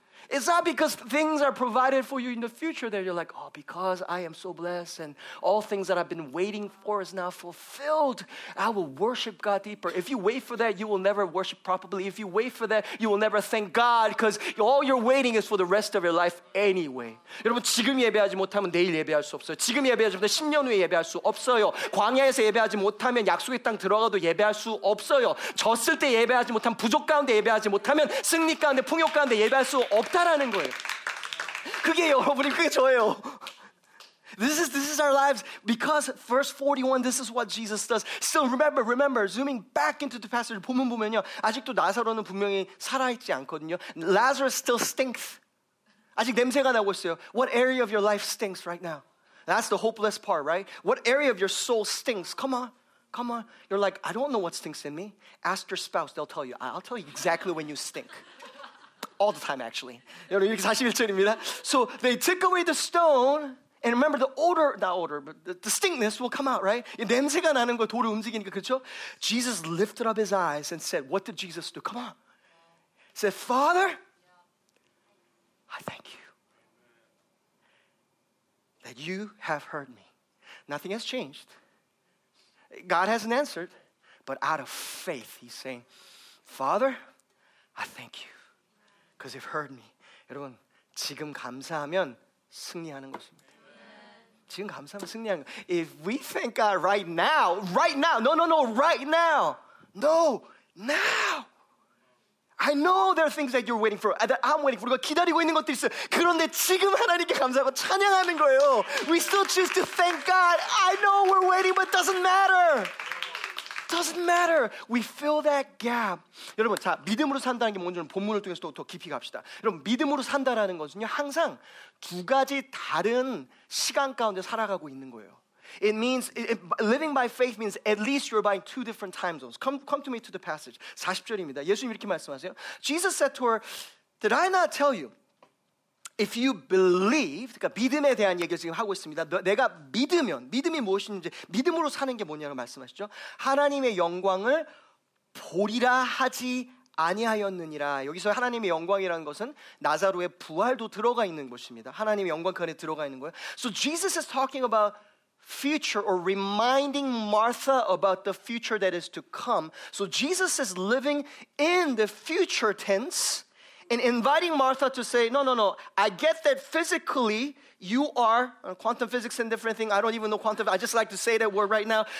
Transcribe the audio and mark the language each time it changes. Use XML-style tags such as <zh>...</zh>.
<en>It's not because things are provided for you in the future that you're like, oh, because I am so blessed and all things that I've been waiting for is now fulfilled, I will worship God deeper. If you wait for that, you will never worship properly. If you wait for that, you will never thank God because all you're waiting is for the rest of your life anyway.</en> <ko>여러분, 지금 예배하지 못하면 내일 예배할 수 없어요. 지금 예배하지 못하면 10년 후에 예배할 수 없어요. 광야에서 예배하지 못하면 약속의 땅 들어가도 예배할 수 없어요. 졌을 때 예배하지 못하면 부족 가운데 예배하지 못하면 승리 가운데 풍요 가운데 예배할 수 없어요. 없다라는 거예요. 그게 여러분이 그게 저예요.</ko> <en>This is our lives because verse 41, this is what Jesus does. So remember, zooming back into the passage,</en> <ko>보면 보면요. 아직도 나사로는 분명히 살아있지 않거든요.</ko> <en>Lazarus still stinks.</en> <ko>아직 냄새가 나고 있어요.</ko> <en>What area of your life stinks right now? That's the hopeless part, right? What area of your soul stinks? Come on. You're like, I don't know what stinks in me. Ask your spouse, they'll tell you. I'll tell you exactly when you stink. All the time, actually.</en> <ko>여러분, 이게 41절입니다.</ko> <en>So they took away the stone, and remember the distinctness will come out, right?</en> <ko>냄새가 나는 거, 돌이 움직이니까, 그렇죠?</ko> <en>Jesus lifted up his eyes and said, what did Jesus do? Come on. He said, Father, I thank you that you have heard me. Nothing has changed. God hasn't answered, but out of faith, he's saying, Father, I thank you. Because you've heard me.</en> <ko>여러분, 지금 감사하면 승리하는 것입니다.</ko> <en>Amen.</en> <ko>지금 감사하면 승리하는 것.</ko> <en>If we thank God right now. No, right now. No, now. I know there are things that you're waiting for. That I'm waiting for.</en> <ko>우리가 기다리고 있는 것들이 있어요. 그런데 지금 하나님께 감사하고 찬양하는 거예요.</ko> <en>We still choose to thank God. I know we're waiting, but it doesn't matter. Doesn't matter. We fill that gap.</en> <ko>여러분, 자 믿음으로 산다는 게 뭔지는 본문을 통해서 또 더 깊이 갑시다. 여러분, 믿음으로 산다라는 것은요 항상 두 가지 다른 시간 가운데 살아가고 있는 거예요.</ko> <en>It means living by faith means at least you're buying two different time zones. Come to me to the passage. 40절입니다.</en> <ko>예수님 이렇게 말씀하세요.</ko> <en>Jesus said to her, "Did I not tell you?" If you believe,</en> <ko>그러니까 믿음에 대한 얘기를 지금 하고 있습니다. 내가 믿으면, 믿음이 무엇인지, 믿음으로 사는 게 뭐냐고 말씀하시죠. 하나님의 영광을 보리라 하지 아니하였느니라. 여기서 하나님의 영광이라는 것은 나사로의 부활도 들어가 있는 것입니다. 하나님의 영광 그 안에 들어가 있는 거예요.</ko> <en>So Jesus is talking about future or reminding Martha about the future that is to come. So Jesus is living in the future tense. And inviting Martha to say, no, I get that physically you are, quantum physics and different thing, I don't even know quantum, I just like to say that word right now.</en>